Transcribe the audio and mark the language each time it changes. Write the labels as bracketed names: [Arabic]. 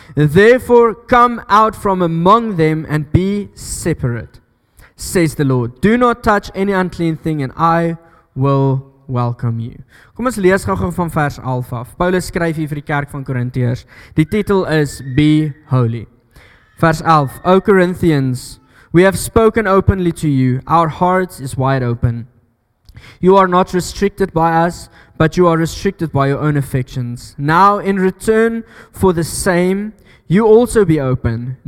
[English] Therefore come out from among them and be separate, says the Lord. Do not touch any unclean thing and I will welcome you. [Afrikaans] Kom ons lees gou-gou van vers 11 af. Paulus skryf hier vir die kerk van Korintiërs. Die titel is [English] Be Holy. [Afrikaans] Vers 11. [English] O Corinthians, we have spoken openly to you. Our hearts is wide open. You are not restricted by us, but you are restricted by your own affections. Now, in return for the same, you also be open.